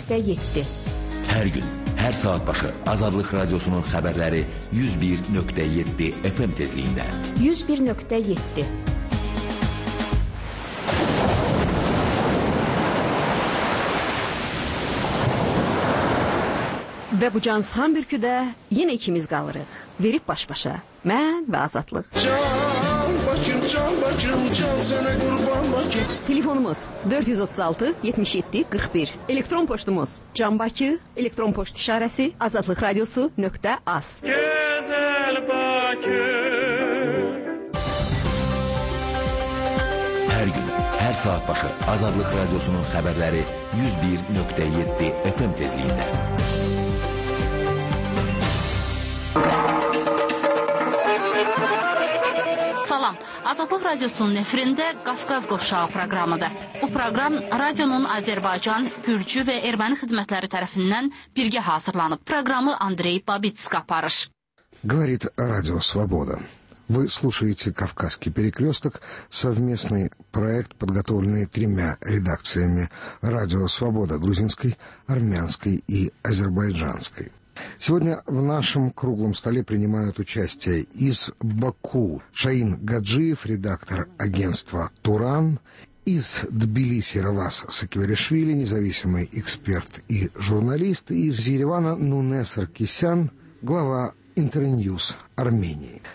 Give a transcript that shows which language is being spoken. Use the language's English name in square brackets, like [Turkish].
[Azerbaijani] 101.7 Hər gün, hər saat başı Azadlıq Radiosunun xəbərləri 101.7 FM tezliyində. 101.7 Və bu cansıxan bürküdə yenə ikimiz qalırıq. Verib baş-başa, mən və Azadlıq. Can, Bakım, can, Bakım, can sənə qurban Bakım. Telefonumuz 436-77-41. Elektron poştumuz canbakı, elektron poşt işarəsi, azadlıqradiosu.az. Gözəl Bakım. Hər gün, hər saat başı Azadlıq Radiosunun xəbərləri 101.7 FM tezliyində. Salam, Azadlıq Radiosunun efirində Qafqaz Qovşağı proqramıdır. Bu proqram radionun Azərbaycan, Gürcü və Erməni xidmətləri tərəfindən birgə hazırlanıb. Proqramı Andrey Babitsk aparır. [Russian] Говорит Радио Свобода. Вы слушаете «Кавказский перекресток» – совместный проект, подготовленный тремя редакциями «Радио Свобода» – грузинской, армянской и азербайджанской. Сегодня в нашем круглом столе принимают участие из Баку Шаин Гаджиев, редактор агентства «Туран», из Тбилиси Равас Сакиверишвили, независимый эксперт и журналист, из Еревана Нуне Саркисян, глава «Интерньюз» Армении.